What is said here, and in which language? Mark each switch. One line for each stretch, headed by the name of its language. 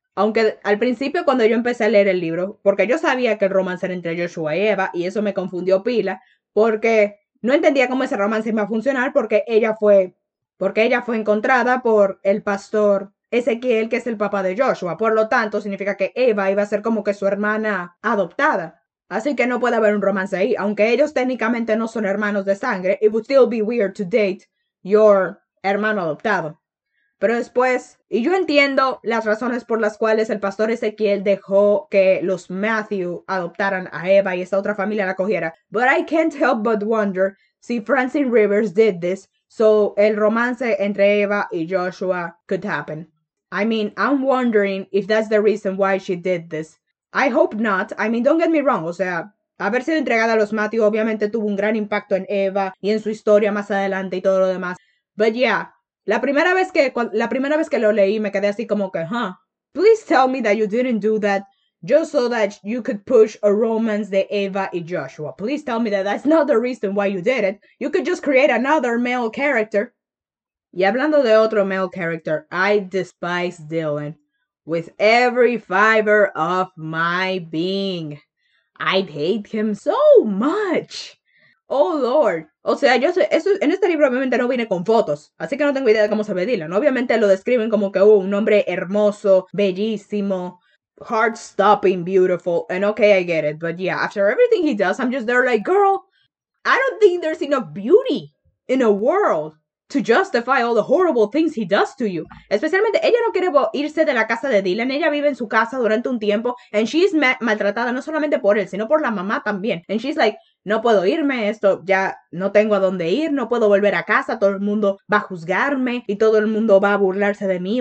Spanish: Aunque al principio cuando yo empecé a leer el libro, porque yo sabía que el romance era entre Joshua y Eva, y eso me confundió pila, porque no entendía cómo ese romance iba a funcionar, porque ella fue encontrada por el pastor Ezequiel, que es el papá de Joshua. Por lo tanto, significa que Eva iba a ser como que su hermana adoptada. Así que no puede haber un romance ahí, aunque ellos técnicamente no son hermanos de sangre.
English: It would still be weird to date your
Spanish: hermano adoptado. Pero después, y yo entiendo las razones por las cuales el pastor Ezequiel dejó que los Matthew adoptaran a Eva y esta otra familia la cogiera.
English: But I can't help but wonder
Spanish: si
English: Francine Rivers did this, so
Spanish: el romance entre Eva y Joshua
English: could happen. I mean, I'm wondering if that's the reason why she did this. I hope not. I mean, don't get me wrong.
Spanish: O sea, haber sido entregada a los Matthew obviamente tuvo un gran impacto en Eva y en su historia más adelante y todo lo demás.
English: But yeah,
Spanish: la primera vez que lo leí me quedé así como que, huh.
English: Please tell me that you didn't do that just so that you could push a romance
Spanish: de Eva y Joshua.
English: Please tell me that that's not the reason why you did it. You could just create another male character.
Spanish: Y hablando de otro
English: male character, I despise Dylan with every fiber of my being. I hate him so much. Oh, Lord.
Spanish: O sea, yo sé, eso, en este libro obviamente no viene con fotos, así que no tengo idea de cómo se ve Dylan. Obviamente lo describen como que un hombre hermoso, bellísimo,
English: heart-stopping, beautiful, and okay, I get it. But yeah, after everything he does, I'm just there like, girl, I don't think there's enough beauty in a world to justify all the horrible things he does to you.
Spanish: Especialmente, ella no quiere irse de la casa de Dylan. Ella vive en su casa durante un tiempo.
English: And she's
Spanish: maltratada no solamente por él, sino por la mamá también.
English: And she's like,
Spanish: no puedo irme. Esto ya no tengo a dónde ir. No puedo volver a casa. Todo el mundo va a juzgarme. Y todo el mundo va a burlarse de mí.